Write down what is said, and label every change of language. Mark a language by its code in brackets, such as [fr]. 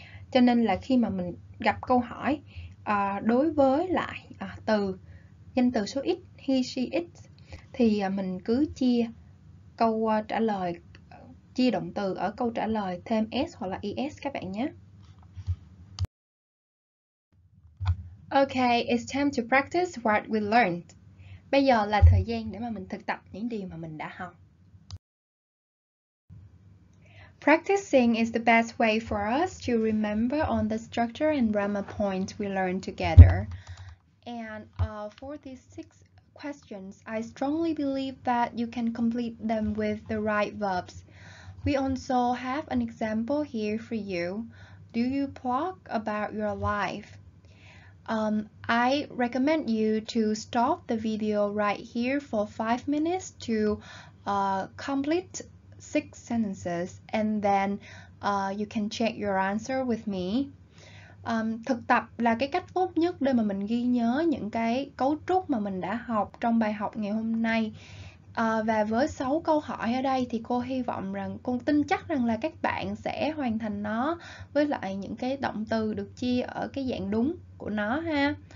[vi] Cho nên là khi mà mình gặp câu hỏi đối với lại từ danh từ số x, he, she, it, thì mình cứ chia câu trả lời, chia động từ ở câu trả lời thêm S hoặc là ES các bạn nhé. [en] Okay, it's time to practice what we learned. [vi] Bây giờ là thời gian để mà mình thực tập những điều mà mình đã học. [en] Practicing is the best way for us to remember on the structure and grammar points we learned together. And for these six questions, I strongly believe that you can complete them with the right verbs. We also have an example here for you. Do you talk about your life? I recommend you to stop the video right here for 5 minutes to complete 6 sentences and then you can check your answer with me. [vi] Thực tập là cái cách tốt nhất để mà mình ghi nhớ những cái cấu trúc mà mình đã học trong bài học ngày hôm nay. Và với 6 câu hỏi ở đây thì cô hy vọng rằng, cô tin chắc rằng là các bạn sẽ hoàn thành nó với lại những cái động từ được chia ở cái dạng đúng của nó ha.